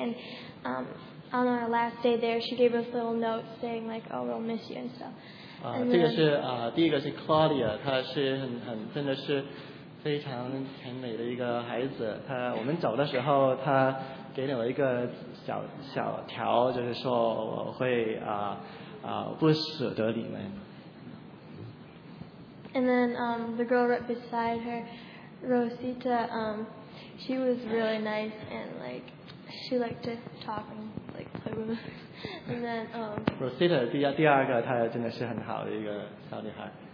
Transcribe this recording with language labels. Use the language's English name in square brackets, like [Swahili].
[English] And on our last day there, she gave us little notes saying like, "Oh, we'll miss you" and stuff. [Chinese] 这个是第一个是 Claudia， 她是很真的是非常甜美的一个孩子。她我们走的时候，她给了我一个小条，就是说我会不舍得你们。 [English] And then the girl right beside her, Rosita, she was really nice and like she liked to talk and like play with us. And then, [Chinese] Rosita 第二个，她真的是很好的一个小女孩。